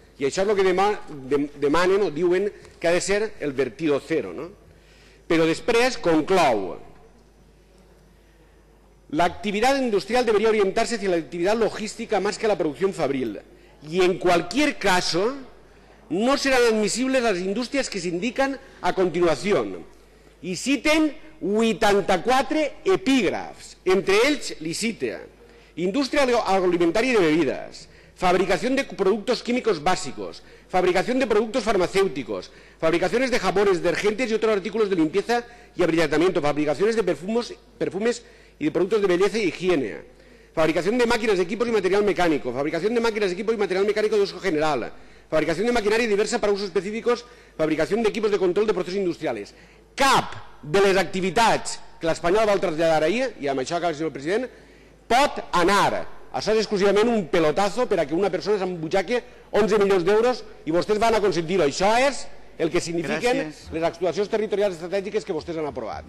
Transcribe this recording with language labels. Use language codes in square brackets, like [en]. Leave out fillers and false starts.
[ca] I això és el que demanen o diuen que ha de ser el vertido cero. Però després conclou. L'activitat industrial [es] debería orientarse hacia la actividad logística más que la producción fabril. Y en cualquier caso, no serán admisibles las industrias que s'indiquen a continuación. [ca] I citen 84 epígrafs, entre ells li cita indústria agroalimentària i de [es] bebides, fabricación de productos químicos básicos, fabricación de productos farmacéuticos, fabricaciones de jabones, detergentes y otros artículos de limpieza y abrillantamiento, fabricaciones de perfumes y de productos de belleza y higiene, fabricación de máquinas, equipos y material mecánico, fabricación de máquinas, equipos y material mecánico de uso general, fabricación de maquinaria diversa para usos específicos, fabricación de equipos de control de procesos industriales. [ca] Cap de les activitats que l'Espanyol va traslladar ahir, i amb això acaba, senyor president, pot anar. Això és exclusivament un pelotazo per a que una persona s'embutxaque 11 milions d'euros i vostès van a consentir-ho. Això és el que signifiquen les actuacions territorials estratègiques que vostès han aprovat.